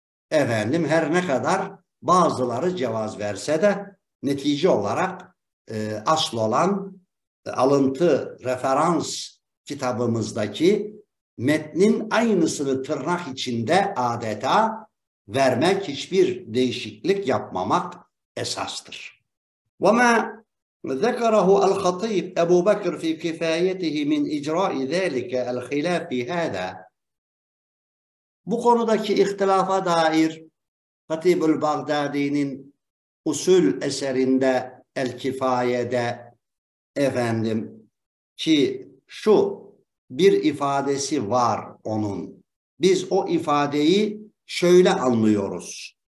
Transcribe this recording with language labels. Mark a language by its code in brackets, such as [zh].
[tr] Efendim her ne kadar bazıları cevaz verse de netice olarak asıl olan alıntı referans kitabımızdaki metnin aynısını tırnak içinde adeta vermek, hiçbir değişiklik yapmamak esastır. [ar] وَمَا ذكره الخطيب أبو بكر في كفايته من إجراء ذلك الخلاف في هذا. [tr] Bu konudaki ihtilafa dair Hatibül Bağdadi'nin usul eserinde El Kifaye'de efendim ki şu bir ifadesi var onun. Biz o ifadeyi şöyle anlıyoruz.